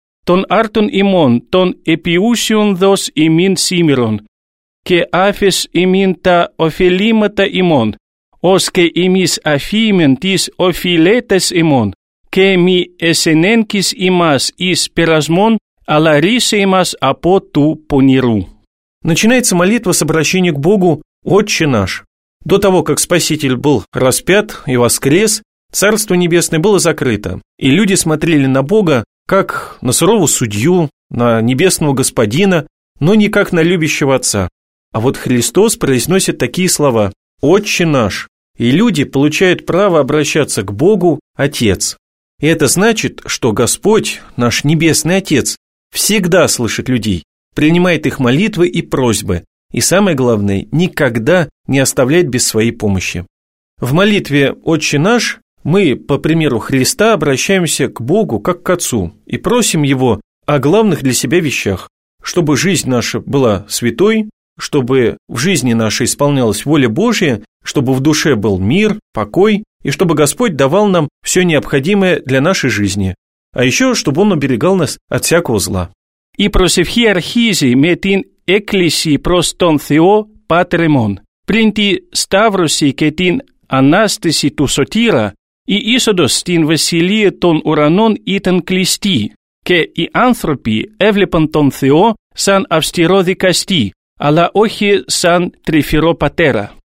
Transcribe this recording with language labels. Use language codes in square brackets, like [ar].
[el] Τον άρτον ημών, τον επιούσιον δώσ ημίν σήμερον, και άφες ημίν τα οφειλήματα ημών, ως και ημείς αφήμεν τις οφειλέτες ημών, και μη εσενένκεις ημάς εις περασμόν, αλλά ρίσε ημάς από του πονηρού. [ru] Начинается молитва с обращения к Богу «Отче наш». До того, как Спаситель был распят и воскрес, Царство Небесное было закрыто, и люди смотрели на Бога как на сурового судью, на небесного господина, но не как на любящего отца. А вот Христос произносит такие слова «Отче наш», и люди получают право обращаться к Богу «Отец». И это значит, что Господь, наш Небесный Отец, всегда слышит людей, принимает их молитвы и просьбы, и самое главное, никогда не оставляет без своей помощи. В молитве «Отче наш» мы, по примеру Христа, обращаемся к Богу, как к Отцу, и просим Его о главных для себя вещах, чтобы жизнь наша была святой, чтобы в жизни нашей исполнялась воля Божья, чтобы в душе был мир, покой, и чтобы Господь давал нам все необходимое для нашей жизни, а еще чтобы Он оберегал нас от всякого зла. [el] Η προσευχή αρχίζει με την έκκληση προς τον Θεό Πάτερ ημών. Πριν τη Σταύρωση και την Ανάστηση του Σωτήρα, η είσοδος στην Βασιλεία των Ουρανών ήταν κλειστή και οι άνθρωποι έβλεπαν τον Θεό σαν αυστηρό δικαστή, αλλά όχι σαν τρυφηρό πατέρα.